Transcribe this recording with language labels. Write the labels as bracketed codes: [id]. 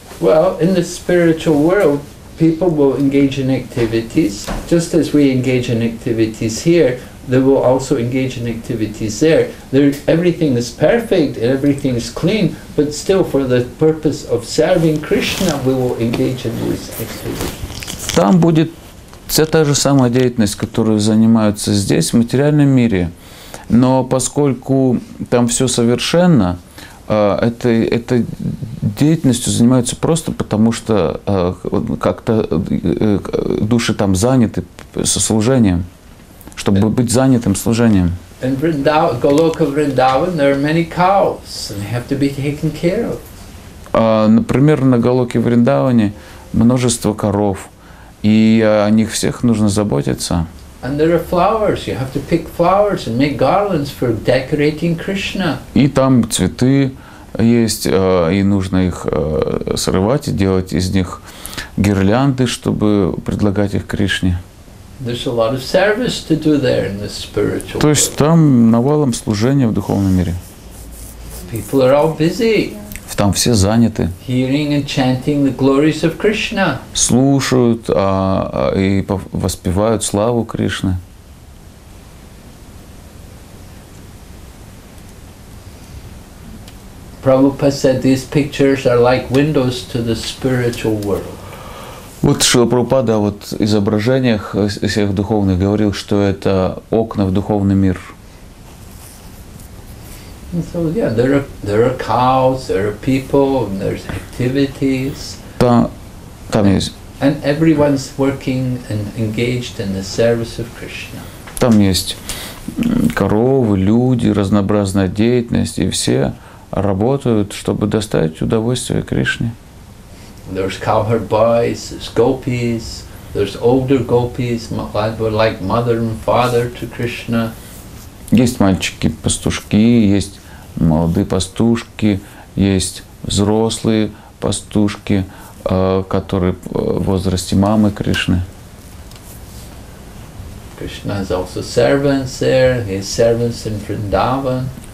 [en] Well, in the spiritual world, people will engage in activities, just as we engage in activities here, they will also engage in activities there. Everything is perfect and everything is clean, but still for the purpose of serving Krishna, we will engage in these activities. [ru] Там будет вся та же самая деятельность, которую занимаются здесь, в материальном мире. Но поскольку там все совершенно, этой деятельностью занимаются просто потому, что как-то души там заняты со служением, чтобы быть занятым служением. [en] In Vrindavan, Goloka Vrindavan, there are many cows, and they have to be taken care of. [ru] Например, на Голоке Вриндаване множество коров, и о них всех нужно заботиться. [en] And there are flowers. You have to pick flowers and make garlands for decorating Krishna. [ru] И там цветы есть, и нужно их срывать и делать из них гирлянды, чтобы предлагать их Кришне. [en] There's a lot of service to do there in the spiritual world. [ru] То есть там навалом служения в духовном мире. [en] People are all busy. [ru] Там все заняты. [en] Hearing and chanting the glories of Krishna. [ru] Слушают и воспевают славу Кришны. [en] Prabhupada said these pictures are like windows to the spiritual world. [ru] Вот Шрила Прабхупада вот в изображениях всех духовных говорил, что это окна в духовный мир. [en] So yeah, there are cows, there are people, and there's activities. [ru] Там есть. [en] And everyone's working and engaged in the service of Krishna. [ru] Там есть коровы, люди, разнообразная деятельность, и все работают, чтобы доставить удовольствие Кришне. [en] There's cowherd boys, there's gopis, there's older gopis who are like mother and father to Krishna. [ru] Есть мальчики, пастушки, есть молодые пастушки, есть взрослые пастушки, которые в возрасте мамы Кришны. [en] Krishna has also servants there. He has servants in Vrindavan.